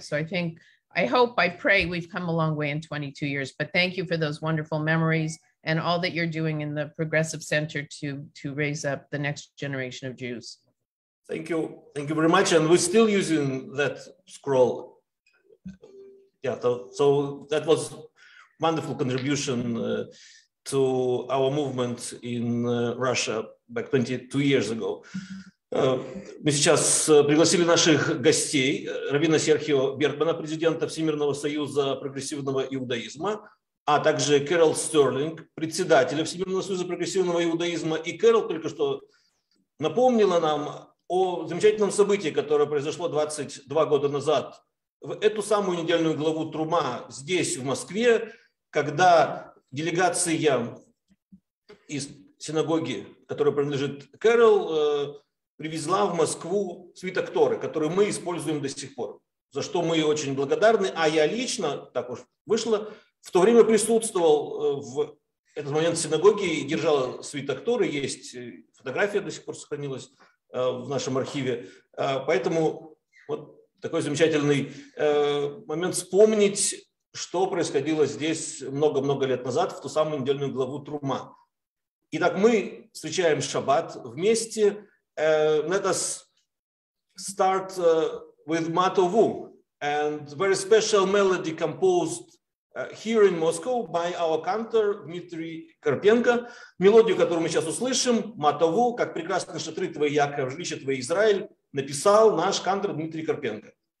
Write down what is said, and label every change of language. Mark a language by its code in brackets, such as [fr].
[en] So I think, I hope, I pray we've come a long way in 22 years, but thank you for those wonderful memories and all that you're doing in the Progressive Center to raise up the next generation of Jews. Thank you. Thank you very much. And we're still using that scroll. Yeah, so that was wonderful contribution to our movement in Russia back 22 years ago. [ru] Мы сейчас пригласили наших гостей, раввина Серхио Бергмана, президента Всемирного Союза Прогрессивного Иудаизма, а также Кэрол Стерлинг, председателя Всемирного Союза Прогрессивного Иудаизма. И Кэрол только что напомнила нам о замечательном событии, которое произошло 22 года назад, в эту самую недельную главу Трума здесь, в Москве, когда делегация из синагоги, которая принадлежит Кэрол, привезла в Москву свиток Торы, который мы используем до сих пор, за что мы ей очень благодарны. А я лично, так уж вышло, в то время присутствовал в этот момент в синагоге и держал свиток Торы. Есть фотография, до сих пор сохранилась в нашем архиве. Поэтому вот такой замечательный момент вспомнить, что происходило здесь много-много лет назад, в ту самую недельную главу Трума. Итак, мы встречаем Шаббат вместе. [en] Let us start with Matovu, and very special melody composed here in Moscow by our cantor Dmitry Karpenko. [ru] Мелодию, которую мы сейчас услышим, Матову, как прекрасно шатры твои, Яков, жилище твое, Израиль, написал наш кантор Дмитрий Карпенко.